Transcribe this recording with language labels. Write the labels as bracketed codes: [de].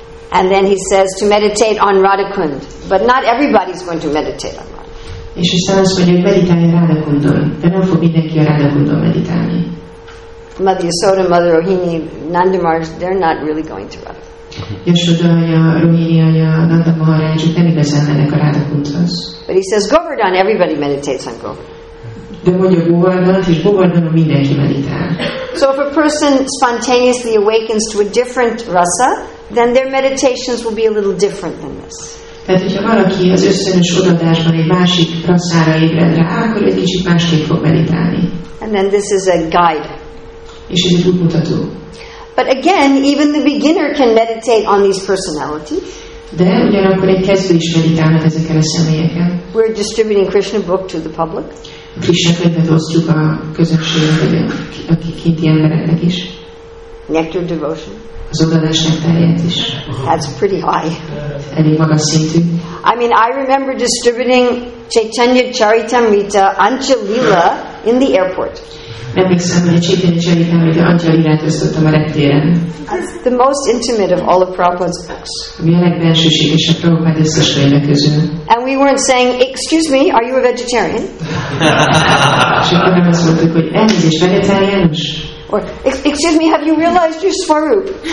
[en] And then he says to meditate on Radhakund. But not everybody's going to meditate on Radhakund. [hu] És aztán azt mondja, hogy meditálni Radhakundon, de nem fog mindenki a Radhakundon meditálni. [en] Mother Yasoda, Mother Rohini, Nanda Maharaj, they're not really going to Radhakund. [hu] Yasoda anya, Rohini anya, Nanda Maharaj, ők nem igazán mennek a Radhakundhoz. [en] But he says, Govardhan, everybody meditates on Govardhan. [hu] De mondja Govardhanat, és Govardhanon mindenki meditál. [en] So if a person spontaneously awakens to a different rasa, then their meditations will be a little different than this. [hu] Tehát, hogyha valaki az összönös odaadásban egy másik rasszára ébred rá, akkor egy kicsit másképp fog meditálni. [en] And then this is a guide. [hu] És ez egy útmutató. [en] But again, even the beginner can meditate on these personalities. [hu] De ugyanakkor egy kezdő is meditálhat ezekkel a személyekkel. [en] We're distributing Krishna book to the public. [hu] Krishna könyvet osztjuk a közösségnek, a kinti embereknek is. [en] Nectar devotion. [hu] Az odaadás nektárját is. [en] That's pretty high. [hu] Elég magas szintű. [en] I mean, I remember distributing Chaitanya Charitamrita Anchalila in the airport. [hu] Nem még szemben, hogy Chaitanya Charitamrita Anchalilát osztottam a reptéren. [en] That's the most intimate of all of Prabhupada's books. [hu] Mi a legbensőségesebb Prabhupada összes könyve közül. [en] And we weren't saying, excuse me, are you a vegetarian? [hu] És akkor nem azt mondtuk, hogy elnézést, vegetáriánus? [en] Or, excuse me, have you realized your Swarup?